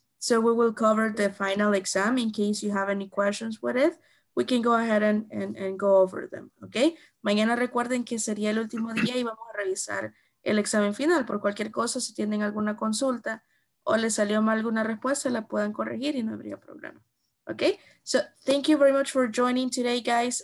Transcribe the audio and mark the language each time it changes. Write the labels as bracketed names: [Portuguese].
[English] So we will cover the final exam in case you have any questions with it. We can go ahead and go over them, okay? [Spanish] Mañana recuerden que sería el último día y vamos a revisar el examen final. Por cualquier cosa, si tienen alguna consulta o les salió mal alguna respuesta, la puedan corregir y no habría problema, okay? [English] So thank you very much for joining today, guys.